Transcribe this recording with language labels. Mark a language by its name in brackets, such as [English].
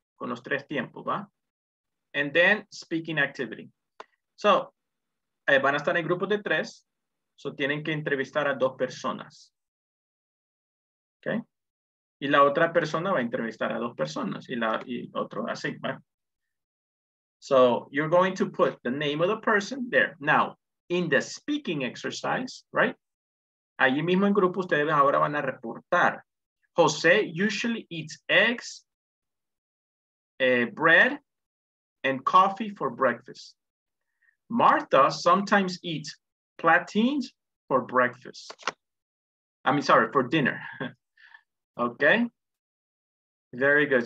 [Spanish] Con los tres tiempos, ¿va? [English] And then speaking activity. [Spanish] So, van a estar en grupos de tres. So, tienen que entrevistar a dos personas. ¿Ok? Y la otra persona va a entrevistar a dos personas. Y otro así, ¿va? [English] So, you're going to put the name of the person there. Now, in the speaking exercise, right? [Spanish] Allí mismo en grupo, ustedes ahora van a reportar. [English] José usually eats eggs, bread, and coffee for breakfast. Martha sometimes eats plantains for breakfast. I mean, sorry, for dinner. Okay. Very good.